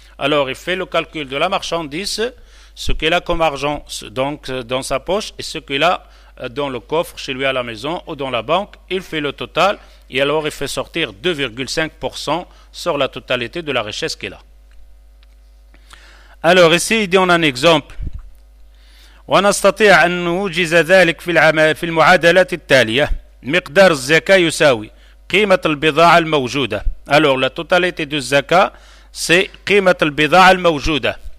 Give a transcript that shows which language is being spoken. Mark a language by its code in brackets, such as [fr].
[fr] Alors il fait le calcul de la marchandise, ce qu'il a comme argent donc dans sa poche, et ce qu'il a dans le coffre chez lui à la maison ou dans la banque, il fait le total, et alors il fait sortir 2.5% sur la totalité de la richesse qu'il a. Alors ici, il dit en un exemple, [ar] ونستطيع أن نوجز ذلك في المعادلات التالية. مقدار الزكاة يساوي قيمة البضاعة الموجودة. [fr] Alors la totalité du zaka, c'est [ar] قيمة البضاعة الموجودة.